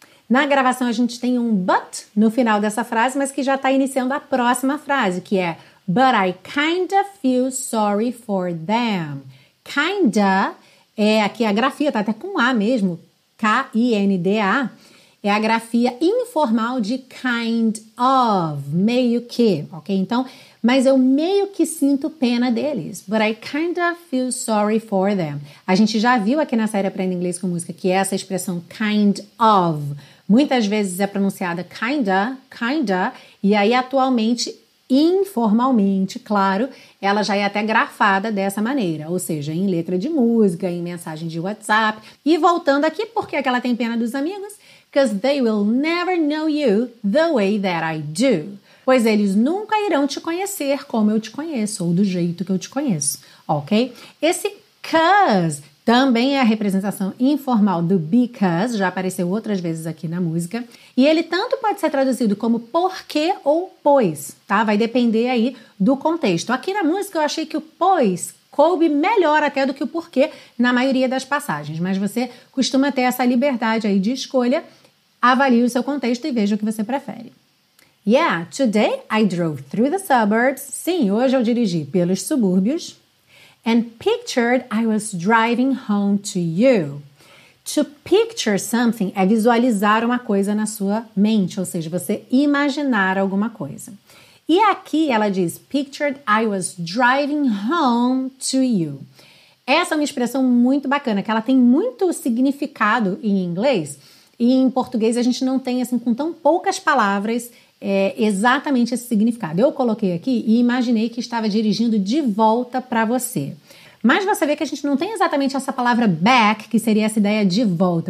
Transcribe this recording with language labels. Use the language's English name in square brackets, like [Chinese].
[Portuguese] Na gravação, a gente tem um but no final dessa frase, mas que já está iniciando a próxima frase, que é [English] but I kinda feel sorry for them. [Portuguese] Kinda, é aqui a grafia, tá até com A mesmo, K-I-N-D-A. É a grafia informal de kind of, meio que, ok? Então, mas eu meio que sinto pena deles. [English] But I kind of feel sorry for them. [Portuguese] A gente já viu aqui na série Aprenda Inglês com Música que essa expressão kind of muitas vezes é pronunciada kinda, kinda, e aí atualmente, informalmente, claro, ela já é até grafada dessa maneira, ou seja, em letra de música, em mensagem de WhatsApp. E voltando aqui, por que ela tem pena dos amigos? [English] Because they will never know you the way that I do. [Portuguese] Pois eles nunca irão te conhecer como eu te conheço, ou do jeito que eu te conheço, ok? Esse 'cause também é a representação informal do because, já apareceu outras vezes aqui na música. E ele tanto pode ser traduzido como porque ou pois, tá? Vai depender aí do contexto. Aqui na música eu achei que o pois coube melhor até do que o porquê na maioria das passagens. Mas você costuma ter essa liberdade aí de escolha. Avalie o seu contexto e veja o que você prefere. [English] Yeah, today I drove through the suburbs. [Portuguese] Sim, hoje eu dirigi pelos subúrbios. [English] And pictured I was driving home to you. To picture something [Portuguese] é visualizar uma coisa na sua mente, ou seja, você imaginar alguma coisa. E aqui ela diz, [English] pictured I was driving home to you. [Portuguese] Essa é uma expressão muito bacana, que ela tem muito significado em inglês. E em português a gente não tem, assim, com tão poucas palavras, exatamente esse significado. Eu coloquei aqui e imaginei que estava dirigindo de volta para você. Mas você vê que a gente não tem exatamente essa palavra back, que seria essa ideia de volta.